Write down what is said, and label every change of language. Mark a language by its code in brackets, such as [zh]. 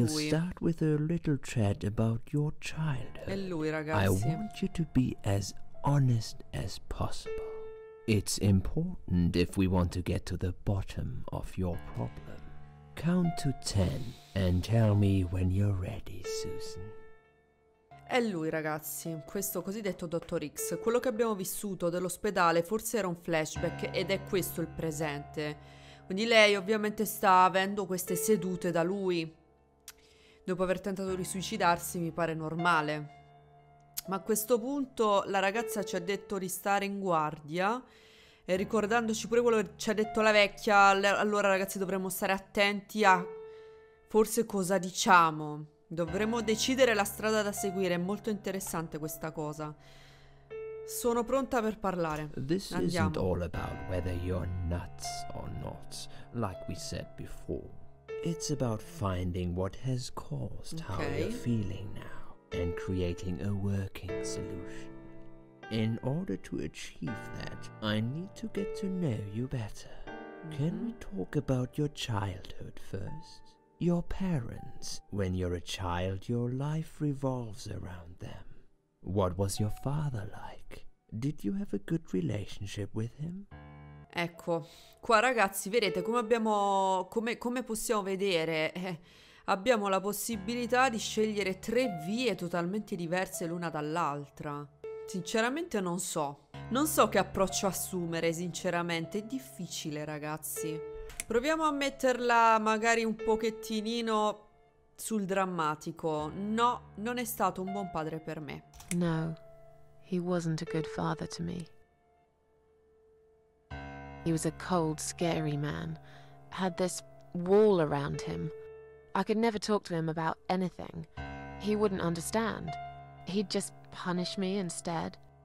[en] We'll start with a little chat about your childhood. [it] È lui, ragazzi. [en] I want you to be as honest as possible. It's important if we want to get to the bottom of your problem. Count to 10 and tell me when you're ready, Susan. [it] È lui, ragazzi, questo cosiddetto Dottor X. Quello che abbiamo vissuto dell'ospedale forse era un flashback ed è questo il presente. Quindi lei ovviamente sta avendo queste sedute da lui. Dopo aver tentato di suicidarsi, mi pare normale. Ma a questo punto la ragazza ci ha detto di stare in guardia. E ricordandoci pure quello che ci ha detto la vecchia, allora ragazzi dovremmo stare attenti a forse cosa diciamo. Dovremmo decidere la strada da seguire, è molto interessante questa cosa. Sono pronta per parlare. [en] This [it] Andiamo. [en] Isn't all about whether you're nuts or not, like we said before. It's about finding what has caused okay. how you're feeling now and creating a working solution. In order to achieve that, I need to get to know you better. Mm-hmm. Can we talk about your childhood first? Your parents. When you're a child, your life revolves around them. What was your father like? Did you have a good relationship with him? [it] Ecco, qua ragazzi, vedete come abbiamo... Come possiamo vedere? Abbiamo la possibilità di scegliere tre vie totalmente diverse l'una dall'altra. Sinceramente non so. Non so che approccio assumere, sinceramente. È difficile, ragazzi. Proviamo a metterla magari un pochettinino sul drammatico. No, non è stato un buon padre per me. [en] No, he wasn't a good father to me. He was a cold, scary man. Had this wall around him. I could never talk to him about anything. He wouldn't understand. He'd just punish me instead.